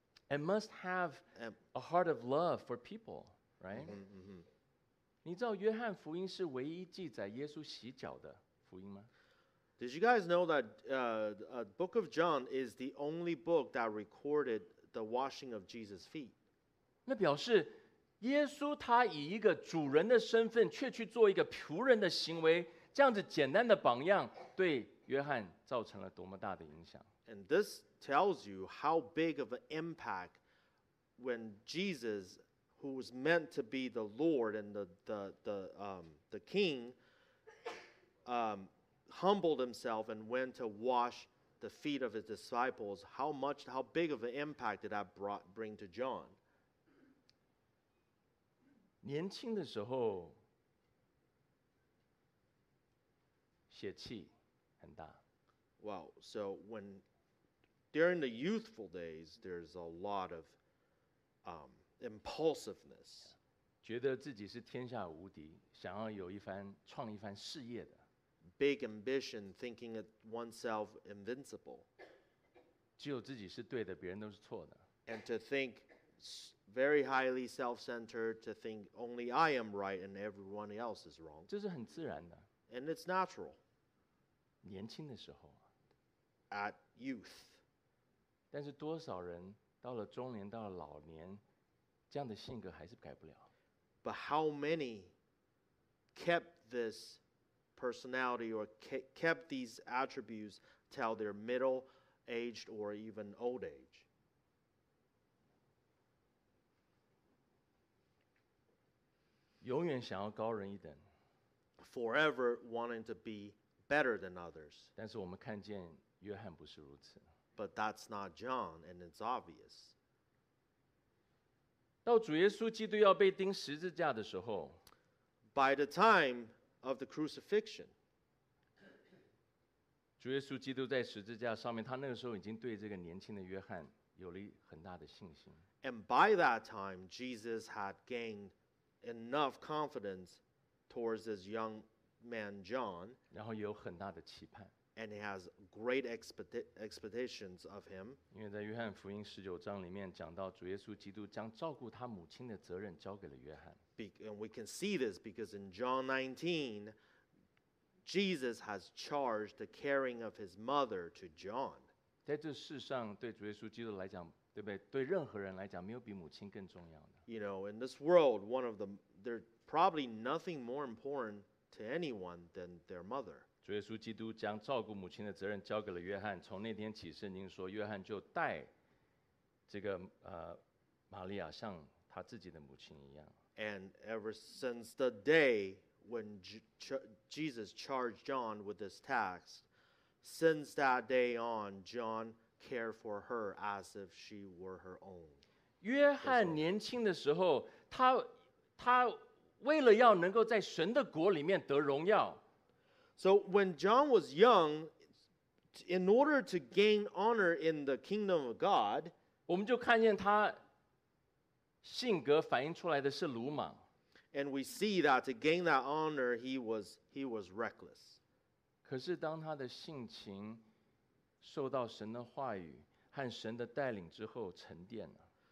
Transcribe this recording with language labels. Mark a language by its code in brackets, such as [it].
[en] And must have a heart of love for people, right? Mm-hmm, mm-hmm. [zh] 你知道约翰福音是唯一记载耶稣洗脚的福音吗？ [en] Did you guys know that the book of John is the only book that recorded the washing of Jesus' feet? [zh] 那表示耶稣他以一个主人的身份却去做一个仆人的行为，这样子简单的榜样对约翰造成了多么大的影响。 [en] And this tells you how big of an impact when Jesus, who was meant to be the Lord and the King, humbled himself and went to wash the feet of his disciples, how big of an impact did that bring to John? [zh] 年轻的时候血气很大。 [en] Wow, so when during the youthful days, there's a lot of impulsiveness. [zh] 觉得自己是天下无敌，想要有一番创一番事业的。 [en] Big ambition, thinking of oneself invincible. [zh] 只有自己是对的，别人都是错的。 [en] And to think. Very highly self-centered to think only I am right and everyone else is wrong. [zh] 这是很自然的。 [en] And it's natural. [zh] 年轻的时候。 [en] At youth. [zh] 但是多少人到了中年，到了老年，这样的性格还是改不了。 [en] But how many kept this personality or kept these attributes till their middle-aged or even old age? [zh] 永远想要高人一等。 [en] Forever wanting to be better than others. [zh] 但是我们看见约翰不是如此。 [en] But that's not John, and it's obvious. [zh] 到主耶稣基督要被钉十字架的时候， [en] By the time of the crucifixion, [zh] 主耶稣基督在十字架上面，他那个时候已经对这个年轻的约翰有了很大的信心。 [en] And by that time, Jesus had gained enough confidence towards this young man John, [zh] 然后有很大的期盼。 [en] And he has great expectations of him. [zh] 因为在约翰福音十九章里面讲到主耶稣基督将照顾他母亲的责任交给了约翰。 [en] And we can see this because in John 19, Jesus has charged the caring of his mother to John. [zh] 在这世上对主耶稣基督来讲，对不对？对任何人来讲，没有比母亲更重要的。 [en] You know, in this world, one of them, there's probably nothing more important to anyone than their mother. [zh] 主耶稣基督将照顾母亲的责任交给了约翰。从那天起，圣经说，约翰就带这个玛利亚像他自己的母亲一样。 [en] And ever since the day when Jesus charged John with this task, since that day on, John care for her as if she were her own. [zh] 约翰年轻的时候，他为了要能够在神的国里面得荣耀。 [en] So when John was young, in order to gain honor in the kingdom of God, [zh] 我们就看见他性格反映出来的是鲁莽。 [en] And we see that to gain that honor, he was reckless. [zh] 可是当他的性情受到神的话语和神的带领之后沉淀了。